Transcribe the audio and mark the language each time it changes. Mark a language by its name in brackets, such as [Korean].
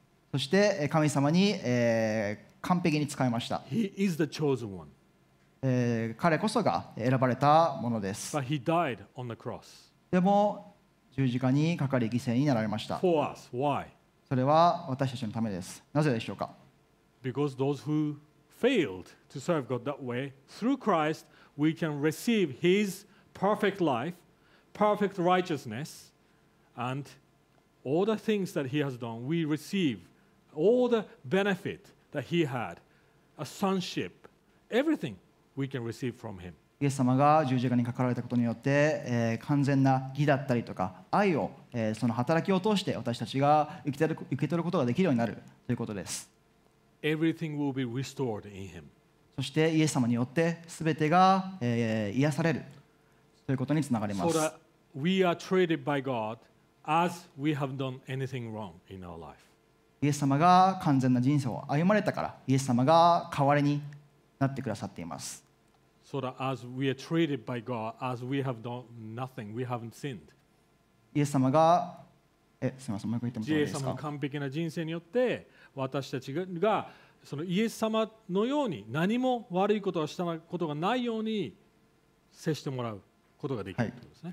[Japanese] そして神様に、完璧に使いました。 [English] He is the chosen one. [Japanese] 彼こそが選ばれたものです。 [English] But he died on the cross. [Japanese] でも十字架にかかり犠牲になられました。 [English] For us. Why? [Japanese] それは私たちのためです。なぜでしょうか。 [English] Because those who failed to serve God that way, through Christ, we can receive his perfect life, perfect righteousness, and all the things that he has done, we receive all the benefit that he had, a sonship, everything we can receive from him. [Japanese] イエス様が十字架にかかられたことによって、完全な義だったりとか愛を、その働きを通して私たちが受け取ることができるようになるということです。 [English] Everything will be restored in him. [Japanese] そしてイエス様によって全てが、癒されるということにつながります。 [English] So that we are treated by God as we have done anything wrong in our life. [Japanese] イエス様が完全な人生を歩まれたからイエス様が代わりになってくださっています。 [English] So that as we are treated by God, as we have done nothing, we haven't sinned. [Japanese] イエス様が、すみません、もう一回言ってもらっていいですか。イエス様の完璧な人生によって、私たちがそのイエス様のように何も悪いことをしたことがないように接してもらうことができるということですね。